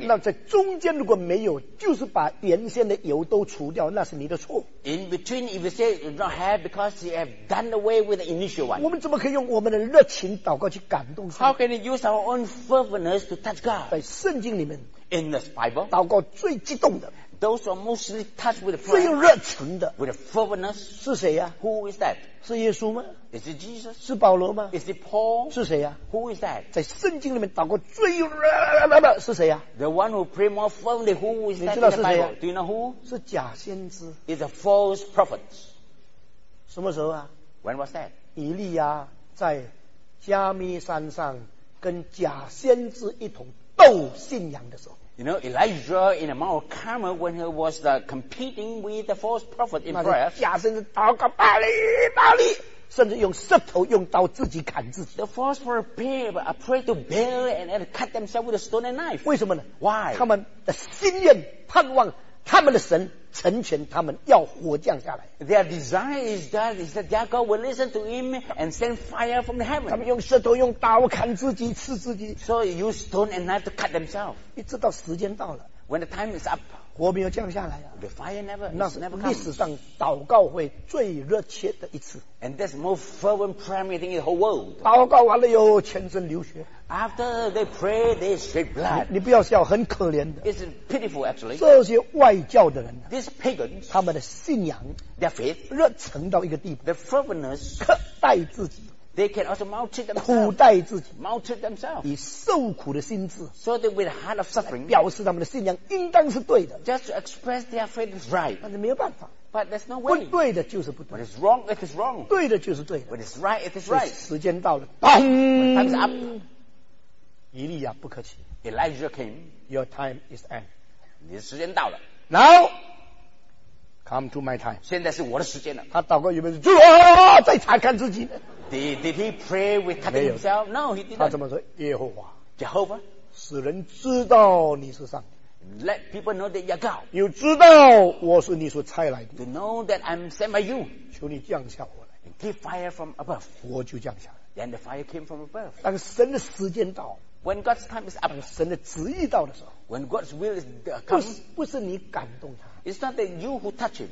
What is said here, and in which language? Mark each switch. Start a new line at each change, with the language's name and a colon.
Chinese: 那在中间如果没有就是把原先的油都除掉那是你的错
English: in between if you say you do not have because you have done away with the initial one
Chinese: 我们怎么可以用我们的热情祷告去感动
English: how can you use our own fervorness to touch God
Chinese: 在圣经里面
English: in this Bible
Chinese: 祷告最激动的
English: those who are mostly touched with the prayer
Chinese: 最热情的
English: with a fervorness
Chinese: 是谁啊
English: who is that
Chinese: 是耶稣吗
English: Is it Jesus?
Chinese: 是保罗吗
English: Is it Paul?
Chinese: 是谁呀、
English: 啊、Who is that?
Chinese: 在圣经里面祷告最热是谁呀、
English: 啊、The one who pray more firmly, who is that?
Chinese: 你知道是谁、
English: 啊、Do you know who?
Chinese: 是假先知。
English: Is a false prophet.
Chinese: 什么时候啊
English: When was that?
Chinese: 以利亚在加密山上跟假先知一同斗信仰的时候。
English: You know, Elijah in the Mount of Carmel when he was competing with the false prophet in prayer.
Chinese: 假先知祷告巴利巴利甚至用石头用刀自己砍自己
English: The false prophet pray to Baal and cut themselves with a stone and knife
Chinese: 为什么呢
English: Why?
Chinese: 他们的心愿盼望他们的神成全他们要火降下来
English: Their desire is that their God will listen to him and send fire from the heaven
Chinese: 他们用石头用刀砍自己刺自己
English: So use stone and knife to cut themselves
Chinese: 一直到时间到了
English: When the time is up
Chinese: 火没有降下来啊
English: ！The fire never,
Chinese: 那是历史上祷告会最热切的一次。
English: And that's more fervent prayer meeting in the whole world.
Chinese: 祷告完了以后，全身流血。
English: After they pray, they shed blood.
Chinese: 你不要笑，很可怜的。
English: It's pitiful, actually.
Chinese: 这些外教的人、啊、
English: ，these pagans,
Chinese: 他们的信仰
English: ，their faith,
Chinese: 热诚到一个地步
English: ，the fervenness,
Chinese: 苛待自己。
English: They can also maltreat themselves.
Chinese: 苦待自己
English: maltreat themselves.
Chinese: 以受苦的心智
English: so that with a heart of suffering,
Chinese: 表示他们的信仰应当是对的
English: just to express their faith is right.
Chinese: 但是没有办法
English: but there's no way.
Chinese: 不对的就是不对
English: when it's wrong, it is wrong.
Chinese: 对的就是对的
English: when it's right, it is right.
Chinese: 时间到了，砰！
English: When time's up.
Chinese: 以利亚不客气
English: Elijah came. Your time is end.
Chinese: 你的时间到了
English: Now. Come to my time.
Chinese: 现在是我的时间了。他祷告有没有？主啊，再查看自己。
English: Did he pray with cutting himself? No, he didn't.
Chinese: 他怎么说？耶和华。
English: Jehovah.
Chinese: 使人知道你是上帝。
English: Let people know that you're God.
Chinese: 又知道我是你所差来的。
English: To know that I'm sent by you.
Chinese: 求你降下火来。
English: Give fire from above.
Chinese: 火就降下来。
English: And the fire came from above.
Chinese: 但神的时间到。
English: When God's time is up,
Chinese: 当神的旨意到的时候
English: ，When God's will is come，
Chinese: 不是你感动他
English: ，It's not that you who touch him，